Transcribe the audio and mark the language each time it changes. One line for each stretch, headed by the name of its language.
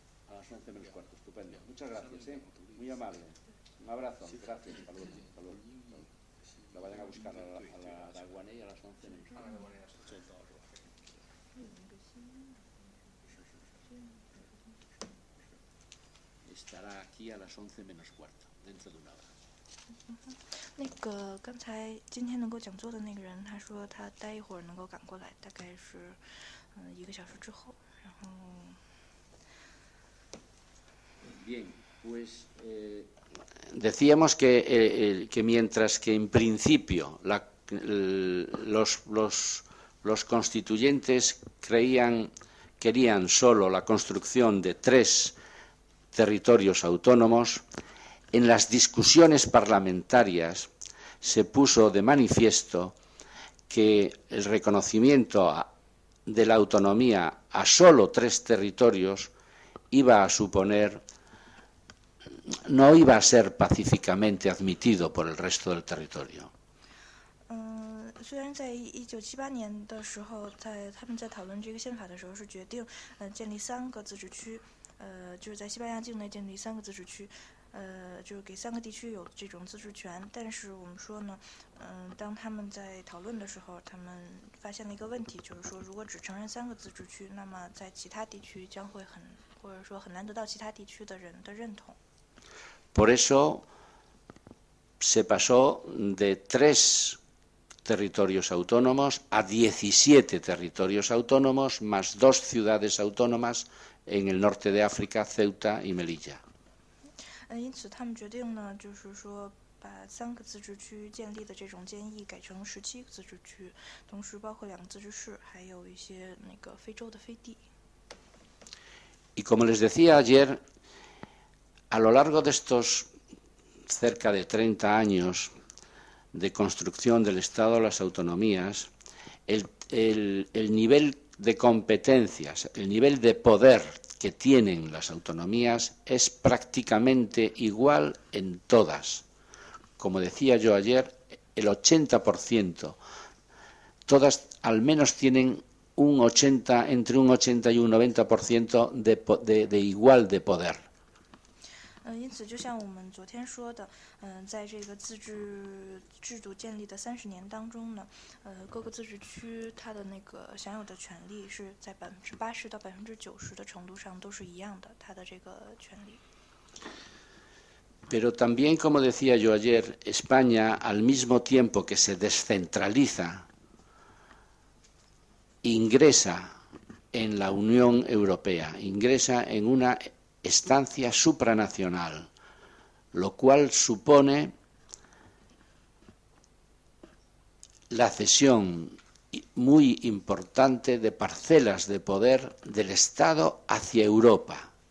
Spanish: A las 11 menos cuarto, estupendo. Muchas gracias, ¿eh? Muy amable. Un abrazo, gracias. Hasta luego, hasta luego. Lo vayan a buscar a la Daguané a las 11 menos cuarto. Estará aquí a las 11 menos cuarto, dentro de una hora.
Chinese: 刚才今天能够讲座的那个人，他说他待一会儿能够赶过来，大概是一个小时之后。然后
Spanish: Bien, pues decíamos que mientras que en principio los constituyentes querían solo la construcción de tres territorios autónomos, en las discusiones parlamentarias se puso de manifiesto que el reconocimiento de la autonomía a solo tres territorios iba a suponer, no iba a ser pacíficamente admitido por el resto del territorio.
Chinese: 虽然在1978年的时候，在他们在讨论这个宪法的时候是决定，建立三个自治区，就是在西班牙境内建立三个自治区，就是给三个地区有这种自治权。但是我们说呢，当他们在讨论的时候，他们发现了一个问题，就是说如果只承认三个自治区，那么在其他地区将会很，或者说很难得到其他地区的人的认同。
Spanish: Por eso se pasó de tres. territorios autónomos a 17 territorios autónomos más dos ciudades autónomas en el norte de África, Ceuta y Melilla.
Chinese: 因此他们决定呢，就是说把三个自治区建立的这种建议改成十七个自治区，同时包括两个自治市，还有一些那个非洲的飞地。
Spanish: Y como les decía ayer, a lo largo de estos cerca de 30 años,de construcción del Estado a las autonomías, el nivel de competencias, el nivel de poder que tienen las autonomías es prácticamente igual en todas. Como decía yo ayer, el 80%, todas al menos tienen entre un 80 y un 90% de igual de poder.
Chinese: 因此，就像我们昨天说的，在这个自治制度建立的三十年当中呢，各个自治区它的那个享有的权利是在80%到90%的程度上都是一样的，它的这个权利。
Spanish: Pero también, como decía yo ayer, España al mismo tiempo que se descentraliza, ingresa en la Unión Europea, ingresa en una estancia supranacional, lo cual supone la cesión muy importante de parcelas de poder del Estado hacia Europa.